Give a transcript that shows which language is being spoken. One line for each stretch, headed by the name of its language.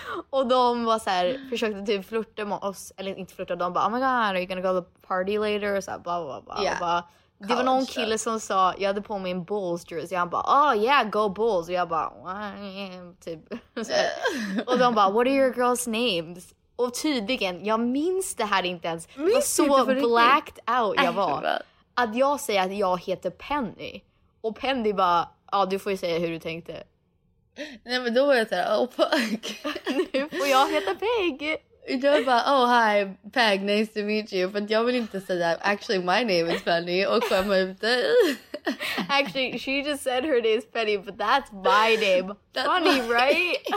Swedish: och de var så här, försökte typ flirta med oss, eller inte flirta, de bara,
English: oh my god, are you gonna go to the party later,
Swedish: och så här, blah, blah, blah.
English: Yeah.
Swedish: Bara, det var någon kille som sa, jag hade på mig en Bulls jersey, och han bara,
English: oh yeah, go Bulls,
Swedish: och jag bara, typ. Och de bara,
English: what are your girls' names?
Swedish: Och tydligen, jag minns det här inte ens, minns det var så inte blacked out jag var, att jag säger att jag heter Penny, och Penny bara, du får ju säga hur du tänkte. Nej, men då var jag såhär,
English: oh fuck.
Swedish: Nu får jag heta Peg. Jag bara,
English: oh hi Peg, nice to meet you.
Swedish: För jag vill inte säga,
English: actually my name is Penny.
Swedish: Och skämma ut det.
English: Actually, she just said her name is Penny, but that's my name. That's funny, my... right?